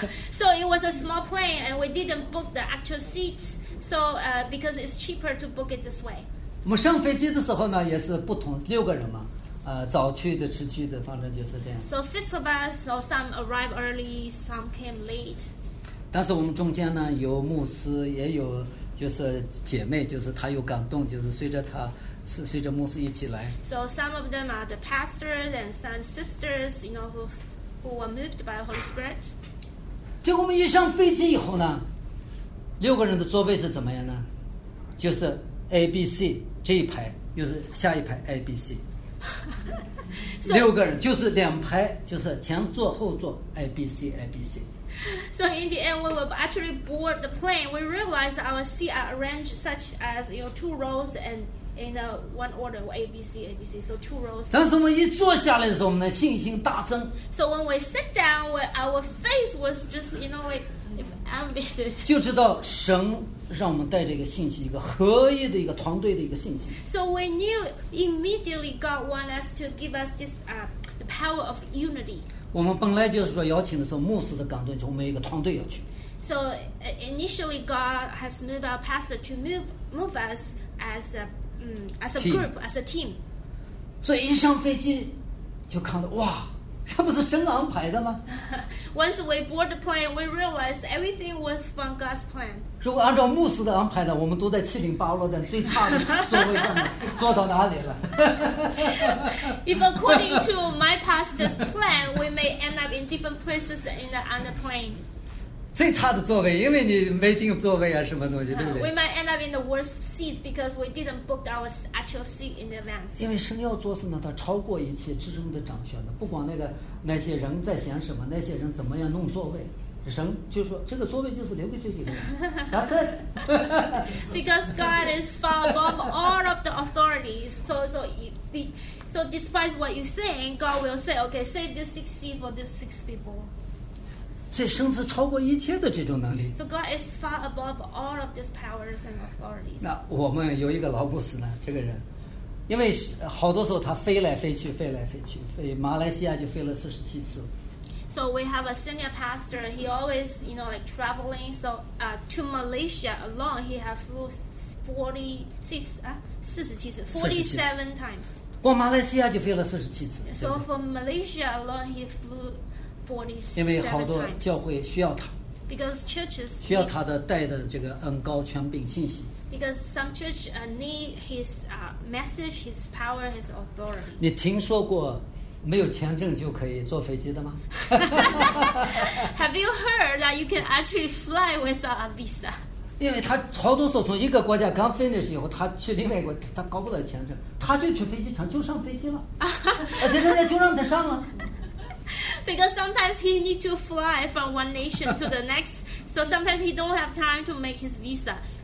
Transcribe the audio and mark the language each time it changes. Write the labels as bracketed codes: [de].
[en] So it was a small plane, and we didn't book the actual seats. So, because it's cheaper to book it this way. [zh] 我们上飞机的时候呢，也是不同六个人嘛。早去的迟去的反正就是这样 [en] so six of us or some arrived early some came late [zh] 但是我们中间呢有牧师也有就是姐妹就是她有感动就是随着她随着牧师一起来 [en] so some of them are the pastors and some sisters you know who were moved by the Holy Spirit [zh] 就我们一上飞机以后呢六个人的座位是怎么样呢就是 ABC 这一排又是下一排 ABC [en] so, [zh] 六个人就是两排就是前座后座 ABC ABC [en] so in the end we were actually board the plane we realized our seat are arranged such as you know, two rows and in a one order ABC ABC so two rows [zh] 但是我们一坐下来的时候我们的信心大增 [en] so when we sit down our faith was just you know ambitious [zh] 就知道神让我们带着一个信息一个合一的一个团队的一个信息 [en] so we knew immediately God wanted us to give us this the power of unity [zh] 我们本来就是说邀请的时候牧师的感动就我们一个团队要去 [en] so initially God has moved our pastor to move us as a group as a team [zh] 所以一上飞机就看到哇这不是神安排的吗 [en] Once we board the plane We realized everything was from God's plan [zh] 如果按照牧师的安排呢我们都在七零八落的最差的座位上坐到哪里了 [en] If according to my pastor's plan We may end up in different places on the plane [zh] 最差的座位因为你没订座位啊什么东西对不对 [en] We might end up in the worst seats Because we didn't book our actual seat in advance [zh] 因为神要做事呢他超过一切至终的掌权的不管那些人在想什么那些人怎么样弄座位神就说这个座位就是留给这些人 [en] That's it Because God is far above all of the authorities So despite what you're saying God will say Okay save this six seat for these six people [zh] 所以神是超过一切的这种能力 [en] So God is far above all of these powers and authorities [zh] 那我们有一个老牧师呢这个人因为好多时候他飞来飞去飞来飞去飞马来西亚就飞了47次 [en] so we have a senior pastor he always you know like traveling so to Malaysia alone he has flew 47 times [zh] 光马来西亚就飞了47次 [en] so from Malaysia alone he flew 47 times [zh] 因为好多教会需要他 [en] because churches [zh] 需要他的带的这个恩膏权柄信息 [en] Because some church need his message, his power, his authority. [zh] 你听说过没有签证就可以坐飞机的吗 [en] Have you heard that you can actually fly without a visa? [zh] 因为他好多时候从一个国家刚 finish 以后，他去另外一个，他搞不了签证，他就去飞机场就上飞机了，而且人家就让他上了。 [en] Because sometimes he need to fly from one nation to the next, so sometimes he don't have time to make his visa.